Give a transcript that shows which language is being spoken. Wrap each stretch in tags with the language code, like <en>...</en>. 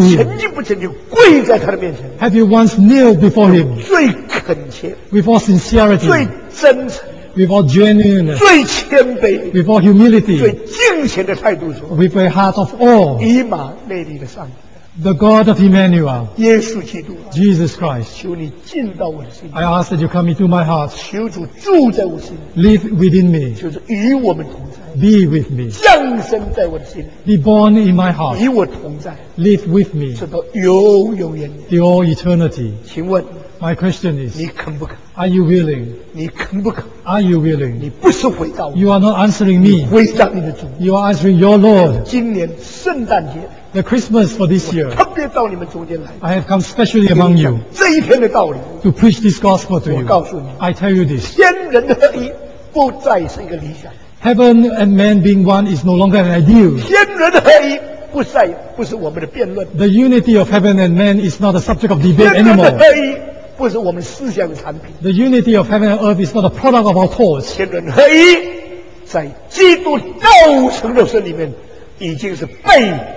<zh>你曾经不曾经跪在他的面前?</zh> <en>Have you once kneeled before him?</en> <zh>最恳切,</zh> <en>with all sincerity,</en> <zh>最真诚,</zh> <en>with all genuineness,</en> <zh>最谦卑,</zh> <en>with all humility,</en> <zh>最敬虔的态度说,</zh> <en>with a heart of awe,</en> <zh>以马内利的上帝,</zh> <en>the God of Emmanuel,</en> <zh>耶稣基督,</zh> <en>Jesus Christ,</en> <zh>求你进到我的心里,</zh> <en>I ask that you come into my heart,</en> <zh>求主住在我心里,</zh> <en>live within me,</en> <zh>求主与我们同在,</zh> <en>be with me,</en> <zh>降生在我的心里,</zh> <en>be born in my heart,</en> <zh>与我同在,</zh> <en>live with me,</en> <zh>直到永远的,</zh> <en>to all eternity.</en> <zh>请问,</zh> <en>my question is,</en> <zh>你肯不肯?</zh> <en>Are you willing?</en> <zh>你肯不肯?</zh> <en>Are you willing?</en> <zh>你不是回答我,</zh> <en>you are not answering me,</en> <zh>你回答你的主,</zh> <en>you are answering your Lord.</en> <zh>今年圣诞节,</zh> <en>the Christmas for this year,</en> <zh>我特别到你们中间来,</zh> <en>I have come specially among you</en> <zh>这一天的道理,</zh> <en>to preach this gospel to you.</en> <zh>我告诉你,</zh> <en>I tell you this,</en> <zh>天人合一不再是一个理想,</zh> <en>heaven and man being one is no longer an ideal.</en> <zh>天人合一不是我们的辩论,</zh> <en>the unity of heaven and man is not a subject of debate anymore.</en> <zh>天人合一不是我们思想的产品,</zh> <en>the unity of heaven and earth is not a product of our thoughts.</en> <zh>天人合一在基督道成肉身里面已经是被</zh>